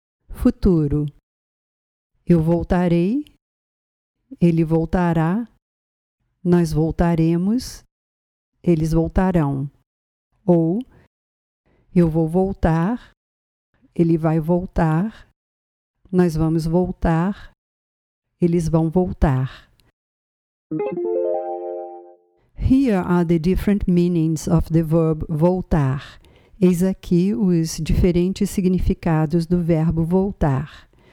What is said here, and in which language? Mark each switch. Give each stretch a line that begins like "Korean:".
Portuguese: Futuro. Eu voltarei, ele voltará, nós voltaremos. Eles voltarão. Ou, eu vou voltar, ele vai voltar, nós vamos voltar, eles vão voltar.
English: Here are the different meanings of the verb voltar.
Portuguese: Eis aqui os diferentes significados do verbo voltar.